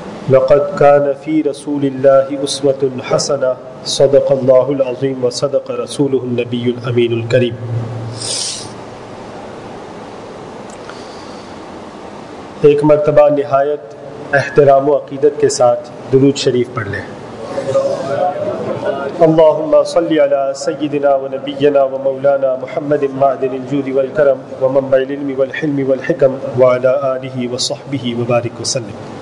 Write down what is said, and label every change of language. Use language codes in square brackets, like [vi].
[ar] لقد كان في رسول الله أسوة حسنة صدق الله العظيم وصدق رسوله النبي الأمين الكريم. [ur] ایک مرتبہ نہایت احترام و عقیدت کے ساتھ درود شریف پڑھ لیں. [ar] اللهم صل على سيدنا ونبينا ومولانا محمد معدن الجود والكرم ومنبع العلم والحلم والحكم وعلى آله وصحبه وبارك وسلم.